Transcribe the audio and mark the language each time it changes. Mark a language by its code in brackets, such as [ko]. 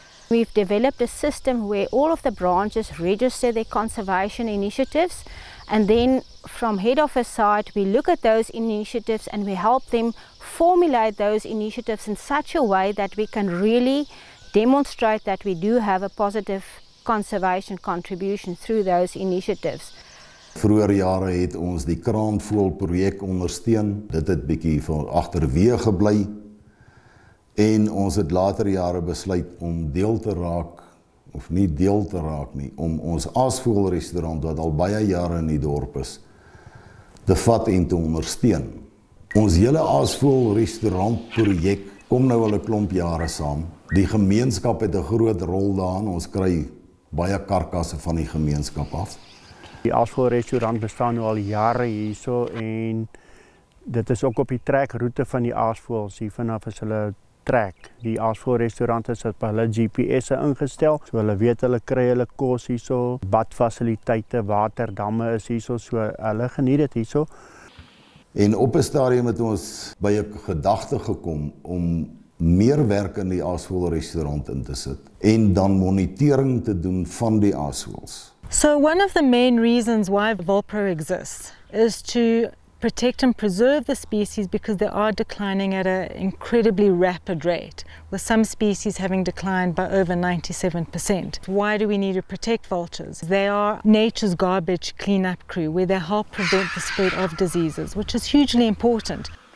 [en] We've developed a system where all of the branches register their conservation initiatives, and then from head office side we look at those initiatives and we help them formulate those initiatives in such a way that we can really demonstrate that we do have a positive conservation contribution through those initiatives. [af] Vroeger jare het ons die kraanvoël projek ondersteun. Dit het bietjie van agterweë gebly. En ons het later jare besluit om deel te raak, of nie deel te raak nie, om ons aasvoëlrestaurant wat al baie jare in die dorp is, te vat en te ondersteun. Ons hele aasvoëlrestaurant projek kom nou al 'n klomp jare saam. Die gemeenskap het 'n groot rol daarin. Ons kry baie karkasse van die gemeenskap af. Die aasvoëlrestaurant bestaan nou al jare hierso en dit is ook op die trekroute van die aasvoëls hier vanaf as hulle trek. Die aasvoëlrestaurant is op hulle GPS'e ingestel, so hulle weet hulle kry hulle kos hierso, badfasiliteite, waterdamme is hierso, so hulle geniet dit hierso. En op 'n stadium het ons by 'n gedagte gekom om meer werk in die aasvoëlrestaurant in te sit en dan monitering te doen van die aasvoëls. [en] So one of the main reasons why Volpro exists is to protect and preserve the species because they are declining at an incredibly rapid rate, with some species having declined by over 97%. Why do we need to protect vultures? They are nature's garbage cleanup crew, where they help prevent the spread of diseases, which is hugely important.